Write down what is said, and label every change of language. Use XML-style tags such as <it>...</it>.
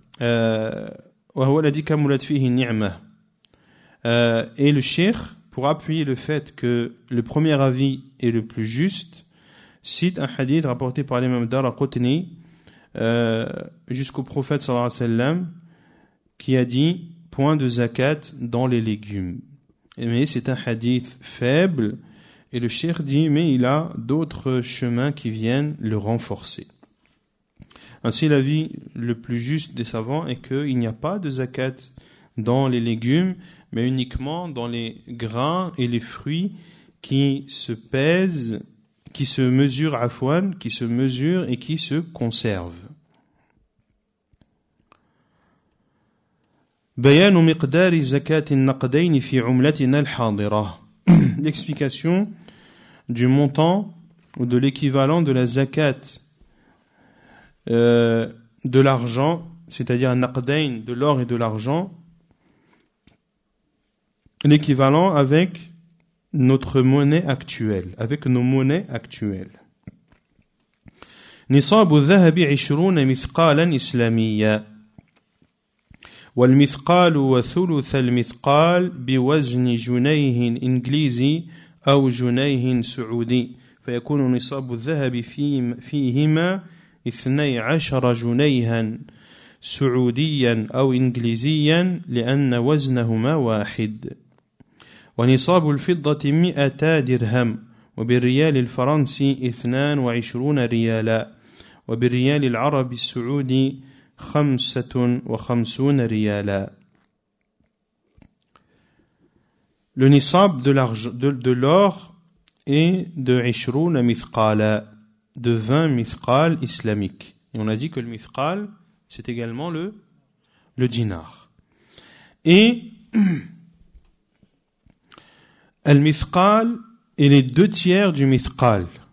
<ar>وهو الذي كملت فيه النعمة.</ar> <fr>Et le cheikh, pour appuyer le fait que le premier avis est le plus juste, cite un hadith rapporté par l'imam Daraqutni jusqu'au prophète sallallahu alayhi wa sallam qui a dit point de zakat dans les légumes. Mais c'est un hadith faible et le cheikh dit mais il a d'autres chemins qui viennent le renforcer. Ainsi l'avis le plus juste des savants est qu'il n'y a pas de zakat dans les légumes mais uniquement dans les grains et les fruits qui se pèsent, qui se mesurent à fouane, qui se mesurent et qui se conservent.</fr> <ar>بيان مقدار زكاة النقدين في عملتنا الحاضرة.</ar> <fr>L'explication du montant ou de l'équivalent de la zakat de l'argent, c'est-à-dire naqdain, de l'or et de l'argent, l'équivalent avec notre monnaie actuelle, avec nos monnaies actuelles.</fr> <ar>نصاب الذهب 20 مثقالا إسلاميا والمثقال وثلث المثقال بوزن جنيه إنجليزي أو جنيه سعودي فيكون نصاب الذهب فيهما 12 جنيها سعوديا أو إنجليزيا لأن وزنهما واحد ونصاب الفضة 100 درهم وبالريال الفرنسي 22 ريالا وبالريال العربي السعودي 55 ريالا.</ar> <fr>Le nisab de l'argent, de l'or est de 20 mithqal, de 20 mithqal islamiques. Et on a dit que le mithqal, c'est également le dinar. Et al mithqal est les deux tiers du mithqal.</fr>